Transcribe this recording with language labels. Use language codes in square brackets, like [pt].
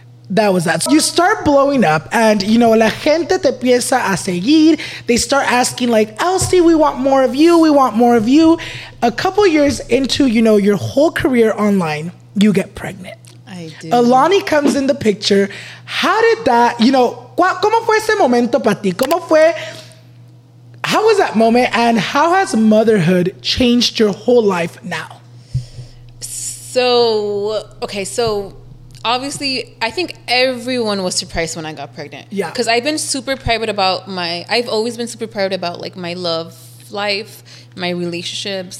[en] That was that. So you start blowing up and, you know, [es] la gente te empieza a seguir. [en] They start asking like, Elsie, we want more of you. We want more of you. A couple years into, you know, your whole career online, you get pregnant. I do. Alani comes in the picture. How did that, you know, [es] ¿cómo fue ese momento para ti? ¿Cómo fue? [en] How was that moment? And how has motherhood changed your whole life now? So, obviously, I think everyone was surprised when I got pregnant. Yeah. Because I've been super private about my, I've always been super private about like my love life, my relationships.